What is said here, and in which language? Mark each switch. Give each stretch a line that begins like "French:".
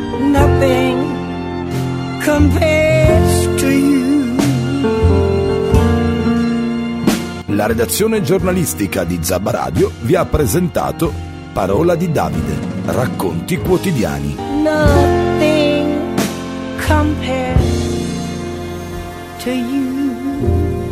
English: Nothing compares to you.
Italian: La redazione giornalistica di Zabba Radio vi ha presentato Parola di Davide, racconti quotidiani.
English: Nothing compares to you.